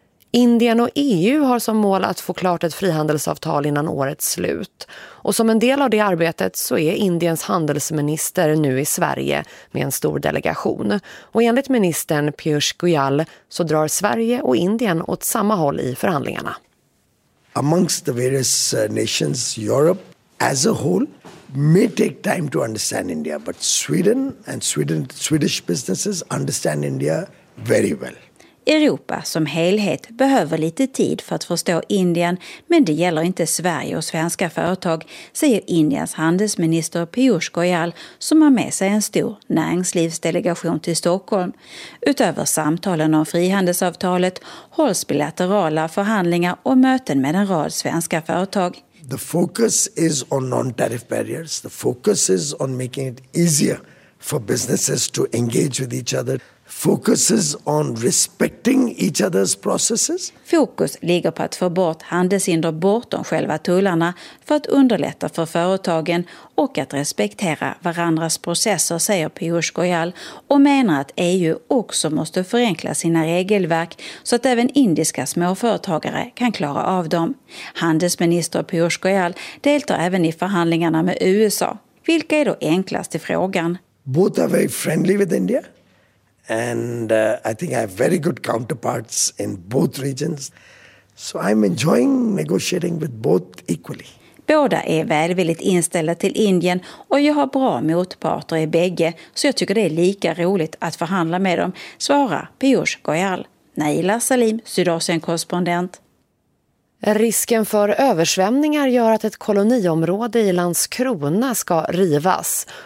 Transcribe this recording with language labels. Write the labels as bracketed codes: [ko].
[sv] Indien och EU har som mål att få klart ett frihandelsavtal innan årets slut. Och som en del av det arbetet så är Indiens handelsminister nu i Sverige med en stor delegation. Och enligt ministern Piyush Goyal så drar Sverige och Indien åt samma håll i förhandlingarna. [en] Amongst the various nations, Europe as a whole may take time to understand India, but Sweden and Swedish businesses understand India very well. [sv] Europa som helhet behöver lite tid för att förstå Indien, men det gäller inte Sverige och svenska företag, säger Indiens handelsminister Piyush Goyal, som har med sig en stor näringslivsdelegation till Stockholm. Utöver samtalen om frihandelsavtalet hålls bilaterala förhandlingar och möten med en rad svenska företag. [en] The focus is on non-tariff barriers. The focus is on making it easier for businesses to engage with each other. Focuses on respecting each other's processes. [sv] Fokus ligger på att få bort handelshinder bortom själva tullarna för att underlätta för företagen och att respektera varandras processer, säger Piyush Goyal, och menar att EU också måste förenkla sina regelverk så att även indiska småföretagare kan klara av dem. Handelsminister Piyush Goyal deltar även i förhandlingarna med USA. Vilka är då enklast i frågan? [en] Both are very friendly with India. And I think I have very good counterparts in both regions. So I'm enjoying negotiating with both equally. [sv] Båda är välvilligt inställda till Indien och jag har bra motparter i bägge. Så jag tycker det är lika roligt att förhandla med dem, svarar Piyush Goyal. Naila Salim, Sydasien-korrespondent. Risken för översvämningar gör att ett koloniområde i Landskrona ska rivas.